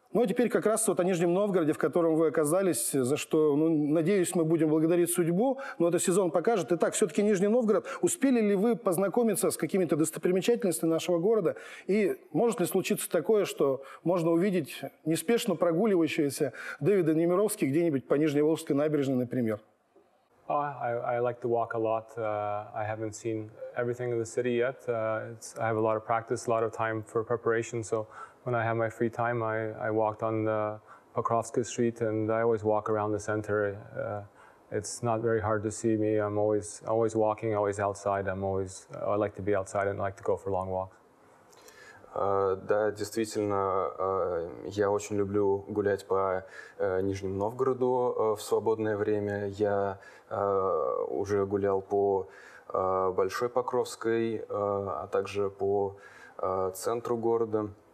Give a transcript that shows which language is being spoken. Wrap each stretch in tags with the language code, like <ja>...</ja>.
<ru>Ну, а теперь как раз вот о Нижнем Новгороде, в котором вы оказались, за что, ну, надеюсь, мы будем благодарить судьбу, но этот сезон покажет. Итак, все-таки Нижний Новгород. Успели ли вы познакомиться с какими-то достопримечательностями нашего города? И может ли случиться такое, что можно увидеть неспешно прогуливающегося Дэвида Немировского где-нибудь по Нижневолжской набережной, например?</ru> <en>I like to walk a lot. I haven't seen everything in the city yet. I have a lot of practice, a lot of time for preparation. So when I have my free time, I walked on the Pokrovska Street, and I always walk around the center. It's not very hard to see me. I'm always walking, always outside. I like to be outside and I like to go for long walks.</en> <ru>Да, действительно, я очень люблю гулять по Нижнему Новгороду в свободное время. Я уже гулял по Большой Покровской, а также по центру города.</ru>